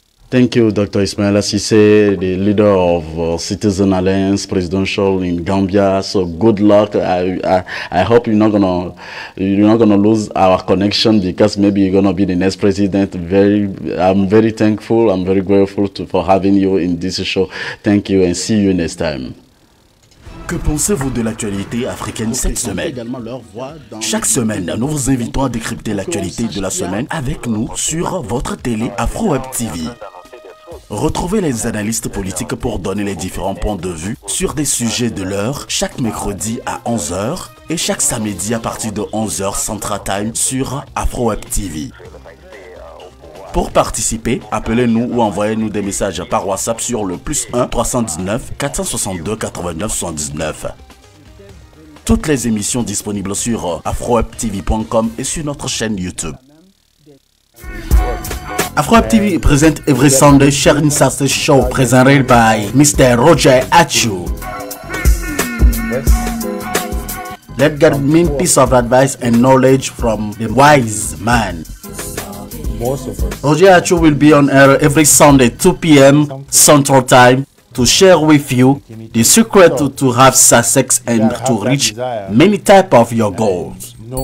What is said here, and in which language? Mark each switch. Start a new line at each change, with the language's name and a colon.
English: Thank you, Dr. Ismaila Ceesay, the leader of Citizen Alliance Presidential in Gambia. So good luck. I hope you're not gonna lose our connection, because maybe you're gonna be the next president. I'm very thankful. I'm very grateful for having you in this show. Thank you, and see you next time.
French: Que pensez-vous de l'actualité africaine cette semaine? Chaque semaine, nous vous invitons à décrypter l'actualité de la semaine avec nous sur votre télé AfroWeb TV. Retrouvez les analystes politiques pour donner les différents points de vue sur des sujets de l'heure chaque mercredi à 11h et chaque samedi à partir de 11h Central Time sur AfroWeb TV. Pour participer, appelez-nous ou envoyez-nous des messages par WhatsApp sur le +1 319 462 89 79. Toutes les émissions disponibles sur afrowebtv.com et sur notre chaîne YouTube. Afroweb TV présente Every Sunday Share Insights Show, présenté par Mr. Roger Achu.
English: Let's get mean piece of advice and knowledge from the wise man. Roger Achu will be on air every Sunday 2 p.m. Central Time to share with you the secret to have success and to reach many type of your goals.